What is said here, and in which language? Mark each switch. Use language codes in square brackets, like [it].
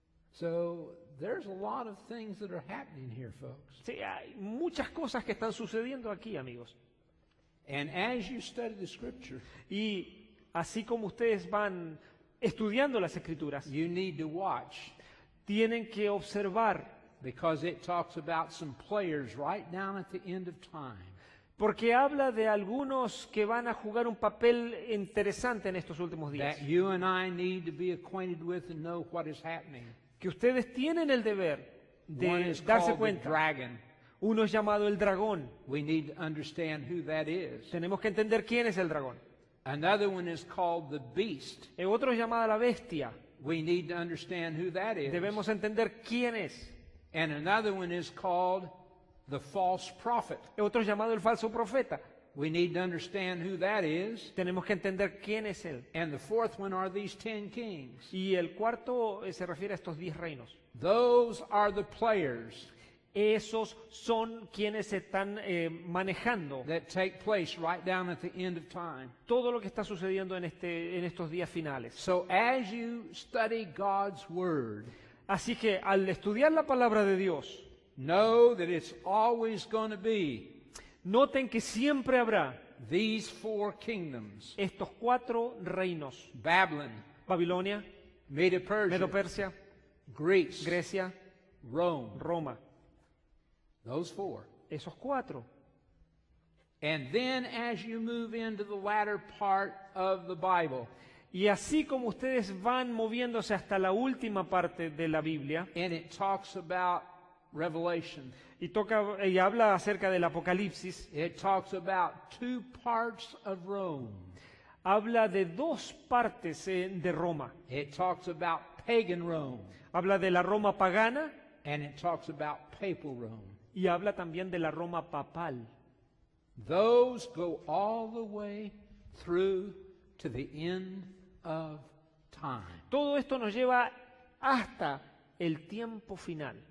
[en] So there's a lot of things that are happening here, folks. [es] Sí, hay muchas cosas que están sucediendo aquí, amigos. [en] And as you study the scripture, [es] y así como ustedes van estudiando las escrituras, [en] you need to watch. [es] Tienen que observar. [en] Because it talks about some players right down at the end of time. [es] Porque habla de algunos que van a jugar un papel interesante en estos últimos días. Que ustedes tienen el deber de darse cuenta. Uno es llamado el dragón. [en] We need to understand who that is. [es] Tenemos que entender quién es el dragón. [en] Another one is called the beast. [es] El otro es llamado la bestia. [en] We need to understand who that is. [es] Debemos entender quién es. [en] And another one is called the false prophet. [es] Otro llamado el falso profeta. [en] We need to understand who that is. [es] Tenemos que entender quién es él. [en] And the fourth one are these 10 kings. [es] Y el cuarto se refiere a estos 10 reinos. [en] Those are the players. [es] Esos son quienes están manejando. [en] That take place right down at the end of time. [es] Todo lo que está sucediendo en estos días finales. [en] So as you study God's word. [es] Así que al estudiar la palabra de Dios. [en] Know that it's always going to be. [es] Noten que siempre habrá [en] these four kingdoms. [es] Estos cuatro reinos. [en] Babylon, [es] Babilonia, [en] Medo-Persia, Greece, [es] Grecia, [en] Rome, [es] Roma. [en] Those four. [es] Esos cuatro. [en] And then as you move into the latter part of the Bible, [es] y así como ustedes van moviéndose hasta la última parte de la Biblia, [en] and it talks about Revelation. [es] Y toca y habla acerca del Apocalipsis. [en] It talks about two parts of Rome. [es] Habla de dos partes de Roma. [en] It talks about pagan Rome. [es] Habla de la Roma pagana. [en] And it talks about papal Rome. [es] Y habla también de la Roma papal. [en] Those go all the way through to the end of time. [es] Todo esto nos lleva hasta el tiempo final.